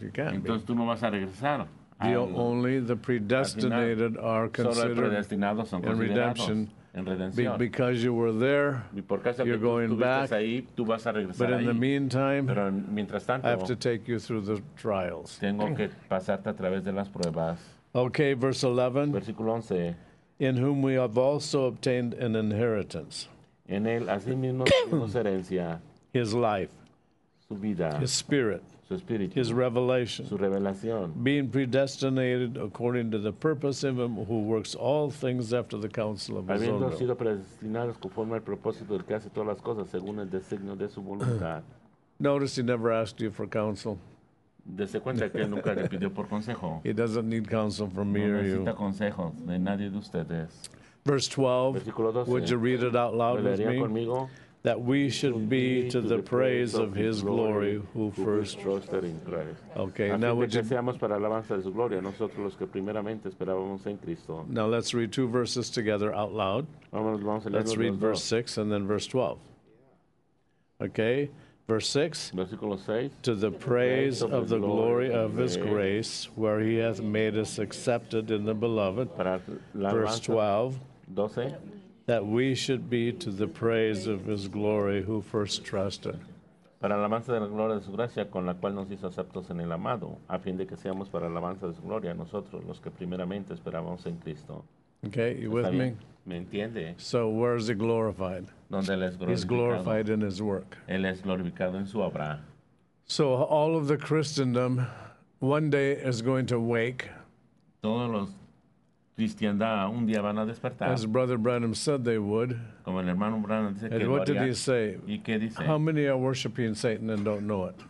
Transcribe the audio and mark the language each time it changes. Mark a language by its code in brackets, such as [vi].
[en] You can't. [es] Entonces [en] be. [es] Tú no vas a regresar. [en] The only the predestinated [es] final, [en] are considered [es] solo predestinados son considerados [en] in redemption. [es] En redención. [en] Because you were there, you're going back. [es] Ahí, tú vas a regresar [en] but in [es] ahí. [en] The meantime, [es] pero mientras tanto, [en] I have to take you through the trials. [es] Tengo que pasarte a través de las pruebas. [en] Okay, verse 11. [es] Versículo 11. [en] In whom we have also obtained an inheritance. [es] En él, así mismo, tenemos herencia. [en] His life. [es] Su vida. [en] His spirit. [es] Su espíritu. [en] His revelation. [es] Su revelación. [en] Being predestinated according to the purpose of him who works all things after the counsel of [es] habiendo [en] his own will. [es] Habiendo sido predestinados conforme al propósito del que hace todas las cosas según el designio de su voluntad. [en] Notice he never asked you for counsel. [es] Dese cuenta que él nunca le pidió por consejo. [en] He doesn't need counsel from me [es] no [en] or you. [es] No necesita consejos de nadie de ustedes. [en] Verse 12, would you read it out loud with me? That we should be to the praise of his glory who first trusted in Christ. Okay, now would you... [es] Deseamos para alabanza de su gloria, nosotros los que primeramente esperábamos en Cristo. [en] Now let's read two verses together out loud. Let's read verse 6 and then verse 12. Okay, verse 6. [es] Versículo 6. [en] To the praise of the glory of his grace, where he hath made us accepted in the beloved. Verse 12. 12. That we should be to the praise of his glory who first trusted. [es] Para alabanza de la gloria de su gracia con la cual nos hizo aceptos en el amado, a fin de que seamos para alabanza de su gloria nosotros los que primeramente esperábamos en Cristo. [en] Okay, you with me? [es] ¿Me entiende? [en] So where is he glorified? [es] ¿Dónde él es glorificado? [en] He's glorified in his work. [es] Él es glorificado en su obra. [en] So all of the Christendom one day is going to wake. [es] Todos los Cristiandad un día van a despertar. [en] As Brother Branham said they would. [es] Como el hermano Branham dice [en] and [es] que [en] what did he say? [es] ¿Y qué dice? [en] How many are worshiping Satan and don't know it?